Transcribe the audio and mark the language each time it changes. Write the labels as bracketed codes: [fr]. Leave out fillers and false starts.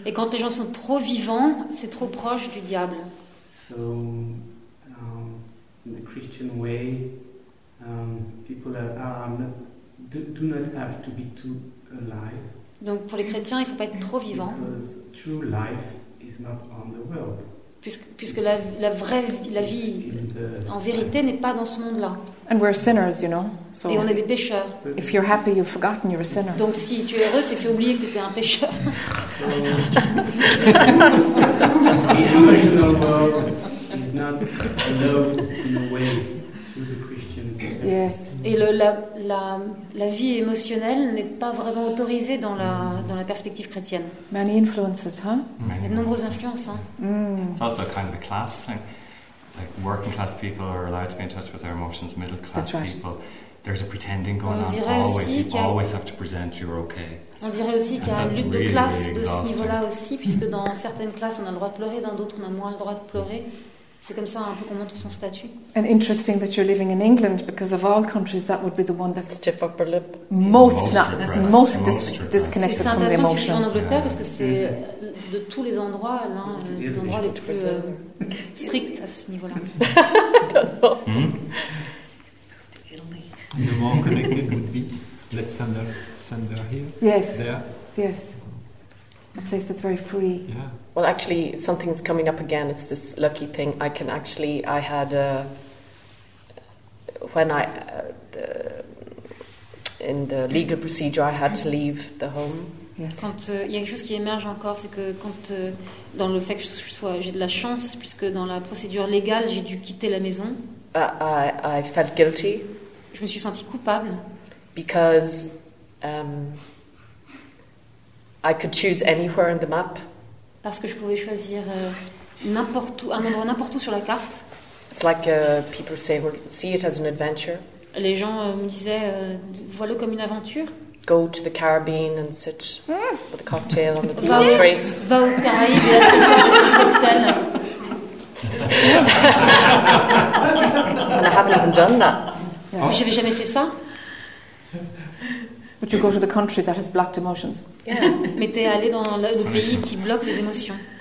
[fr] Et quand les gens sont trop vivants, c'est trop proche du diable. [en] So, in the Christian way, people do not have to be too alive. [fr] Donc pour les chrétiens, il ne faut pas être trop vivant. [en] Because true life is not on the world. [fr] Puisque la vraie la vie en vérité n'est pas dans ce monde-là. [en] And we're sinners, you know. So [fr] et on est des pécheurs. [en] If you're happy, you've forgotten you're a sinner. [fr] Donc si tu es heureux, c'est que tu as oublié que tu étais un pécheur. [en] The original world is not loved in a way through the Christian perspective. Yes. [fr] Et la vie émotionnelle n'est pas vraiment autorisée dans la perspective chrétienne. [en] Many influences, huh? [fr] Il y a de nombreuses influences, hein. [en] It's also kind of a class thing. Like working class people are allowed to be in touch with their emotions. Middle class people, there's a pretending going on. You always have to present you're okay. [fr] On dirait aussi qu'il y a une lutte de classe de ce niveau-là aussi, puisque dans certaines classes on a le droit de pleurer, dans d'autres on a moins le droit de pleurer. C'est comme ça un peu qu'on montre son statut. [en] And interesting that you're living in England, because of all countries, that would be the one that's stiff upper lip. Most disconnected from the emotion. [fr] C'est intéressant que tu vis en Angleterre, parce que c'est de tous les endroits, l'un des endroits les plus stricts à ce niveau-là. [en] The more connected would be, let's send her here. Yes. There. Yes. A place that's very free. Yeah. Well, actually, something's coming up again. It's this lucky thing. I can actually, I had a, when I, the, in the legal procedure, I had to leave the home. Yes. [fr] Quand il y a quelque chose qui émerge encore, c'est que quand dans le fait que je sois, j'ai de la chance, puisque dans la procédure légale, j'ai dû quitter la maison. [en] I felt guilty. [fr] Je me suis sentie coupable. [en] Because I could choose anywhere on the map. [fr] Parce que je pouvais choisir n'importe où, un endroit n'importe où sur la carte. [en] It's like people say, see it as an adventure. [fr] Les gens me disaient, voilà comme une aventure. [en] Go to the Caribbean and sit with a cocktail on the train. [fr] Va, yes. Va aux Caraïbes et assieds-toi avec un cocktail. [en] And I haven't even done that. [fr] Yeah. J'avais jamais fait ça. [en] But you go to the country that has blocked emotions. Yeah. [fr] Mais t'es allé dans le pays qui bloque les émotions.